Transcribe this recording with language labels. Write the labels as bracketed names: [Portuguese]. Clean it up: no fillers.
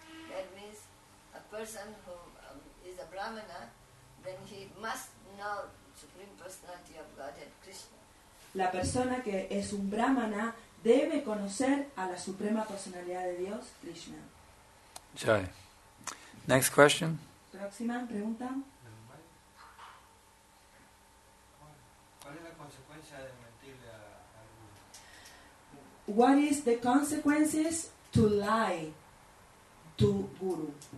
[English] That means a person who is a Brahmana, then he must know Supreme Personality of Godhead, Krishna. [Spanish] La persona que es un brahmana debe conocer a la suprema personalidad de Dios, Krishna. [English] Jai. Next question. [Spanish] Próxima pregunta. ¿Cuál es la consecuencia de mentirle a guru? [English] What is the consequences to lie to guru?